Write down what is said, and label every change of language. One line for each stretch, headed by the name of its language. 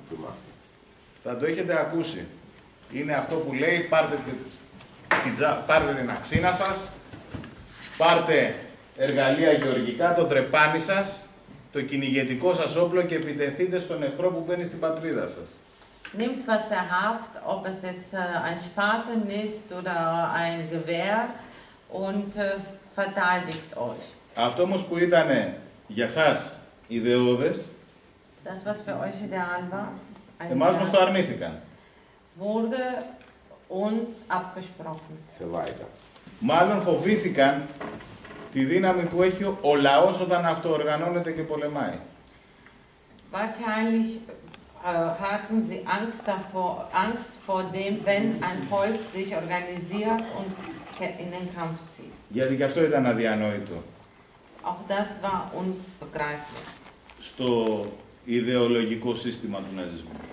Greek: hat. Da durchgeht der Akusi. Είναι αυτό που λέει, πάρτε, πάρτε την αξίνα σας, πάρτε εργαλεία γεωργικά, το τρεπάνι σας, το κυνηγετικό σας όπλο και επιτεθείτε στον εχθρό που μπαίνει στην πατρίδα σας.
German: Nehmt was ihr habt, ob es jetzt ein Spaten ist oder ein Gewehr und verteidigt euch.
Greek: Αυτό όμως που ήταν για σας ιδεώδες,
German: das was für euch ideal war,
Greek: εμάς μας το αρνήθηκαν.
German: Wurde uns abgesprochen.
Greek: Μάλλον φοβήθηκαν τη δύναμη που έχει ο λαός όταν αυτοοργανώνεται και πολεμάει.
German: Wahrscheinlich hatten sie Angst vor dem, wenn ein Volk sich organisiert und in den Kampf zieht.
Greek: Γιατί και αυτό ήταν αδιανόητο.
German: Auch das war unbegreiflich.
Greek: Στο ιδεολογικό σύστημα του ναζισμού.